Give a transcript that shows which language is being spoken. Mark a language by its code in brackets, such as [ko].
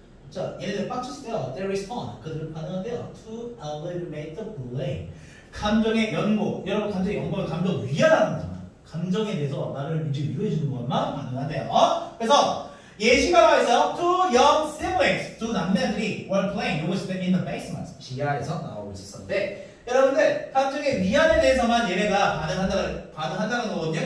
[ko] 자 얘들 빡쳤을 때요 [en] they respond [ko] 그들은 반응한대요 [en] to alleviate the blame [ko] 감정의 연고 여러분 감정의 연고는 감정 위안하는 거잖아. 감정에 대해서 나를 이제 위로해주는 것만 반응한대요. 어? 그래서 예시가 와 있어요. [en] Two young siblings, [ko] 두 남매들이 [en] were playing. It was in the basement. [ko] 지하에서 나오고 있었는데, 여러분들 감정의 미안에 대해서만 얘네가 반응한다는 거거든요.